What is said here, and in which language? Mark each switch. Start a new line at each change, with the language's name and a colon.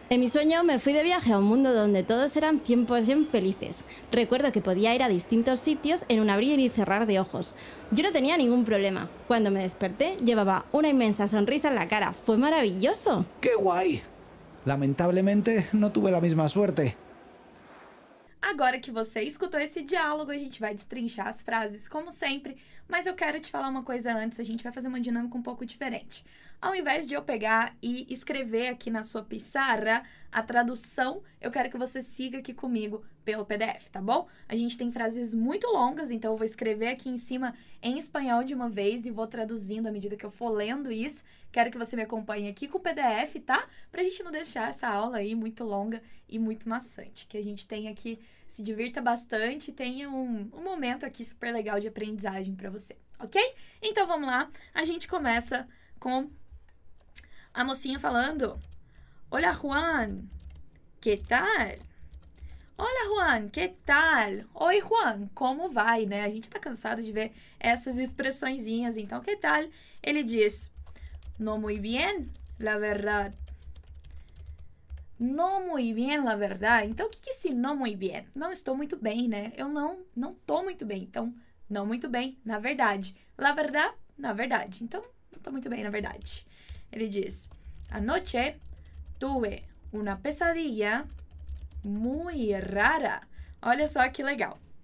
Spanish: En mi sueño me fui de viaje a un mundo donde todos eran 100% felices. Recuerdo que podía ir a distintos sitios en un abrir y cerrar de ojos. Yo no tenía ningún problema. Cuando me desperté, llevaba una inmensa sonrisa en la cara. ¡Fue maravilloso! ¡Qué guay! Lamentablemente, no tuve la misma suerte.
Portuguese: Agora que você escutou esse diálogo, a gente vai destrinchar as frases, como sempre. Mas eu quero te falar uma coisa antes, a gente vai fazer uma dinâmica um pouco diferente. Ao invés de eu pegar e escrever aqui na sua pissarra a tradução, eu quero que você siga aqui comigo pelo PDF, tá bom? A gente tem frases muito longas, então eu vou escrever aqui em cima em espanhol de uma vez e vou traduzindo à medida que eu for lendo isso. Quero que você me acompanhe aqui com o PDF, tá? Pra gente não deixar essa aula aí muito longa e muito maçante. Que a gente tenha aqui, se divirta bastante e tenha um momento aqui super legal de aprendizagem pra você, ok? Então vamos lá, a gente começa com a mocinha falando:
Spanish: Hola, Juan, ¿qué tal? Hola, Juan, ¿qué tal?
Portuguese: Oi, Juan, como vai, né? A gente tá cansado de ver essas expressõezinhas, então,
Spanish: ¿qué tal?
Portuguese: Ele diz:
Spanish: No muy bien, la verdad. No muy bien, la verdad.
Portuguese: Então, o que é esse
Spanish: no muy bien?
Portuguese: Não estou muito bem, né? Eu não tô muito bem, então, não muito bem, na verdade.
Spanish: La verdad,
Portuguese: na verdade. Então, não tô muito bem, na verdade. Ele diz:
Spanish: Anoche tuve una pesadilla muy rara.
Portuguese: Olha só que legal.